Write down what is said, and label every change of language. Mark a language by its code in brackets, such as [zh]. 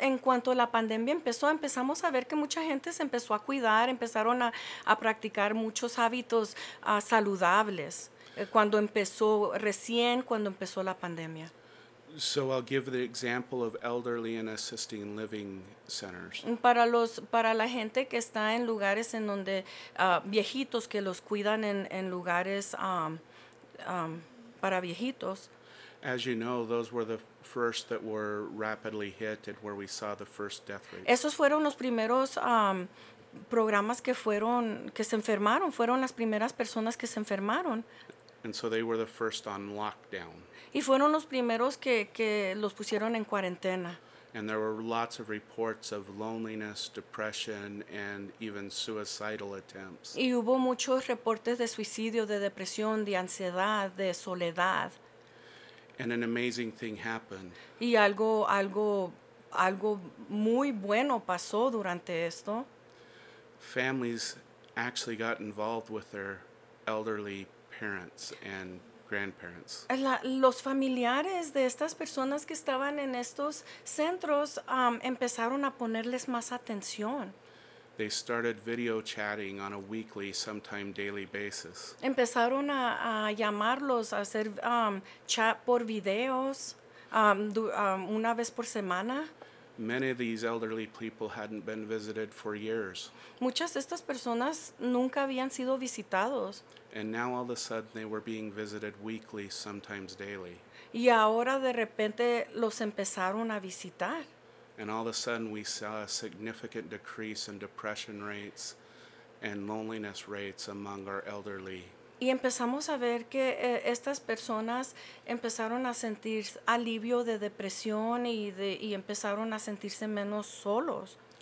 [es] En cuanto la pandemia empezó, empezamos a ver que mucha gente se empezó a cuidar, empezaron a practicar muchos hábitos saludables. Cuando empezó la pandemia. [en] So I'll give the example of elderly and assisting living centers. [es] Para la gente que está en lugares en donde viejitos que los cuidan en lugares para viejitos. [en] As you know, those were the first that were rapidly hit and where we saw the first death rate. [es] Esos fueron los primeros programas que se enfermaron. Fueron las primeras personas que se enfermaron. [en] And so they were the first on lockdown. [es] Y fueron los primeros que los pusieron en cuarentena. [en] And there were lots of reports of loneliness, depression, and even suicidal attempts. [es] Y hubo muchos reportes de suicidio, de depresión, de ansiedad, de soledad. [en] And an amazing thing happened. [es] Y algo muy bueno pasó durante esto. [en] Families actually got involved with their elderly parents and grandparents. [es] Los familiares de estas personas que estaban en estos centros empezaron a ponerles más atención. [en] They started video chatting on a weekly, sometime daily basis. [es] Empezaron a llamarlos, a hacer chat por videos una vez por semana. [en] Many of these elderly people hadn't been visited for years. [es] Muchas de estas personas nunca habían sido visitados. [en] And now all of a sudden they were being visited weekly, sometimes daily. [es] Y ahora de repente los empezaron a visitar. [en] And all of a sudden we saw a significant decrease in depression rates and loneliness rates among our elderly. [es] Y empezamos a ver que estas personas empezaron a sentir alivio de depresión y empezaron a sentirse menos solos.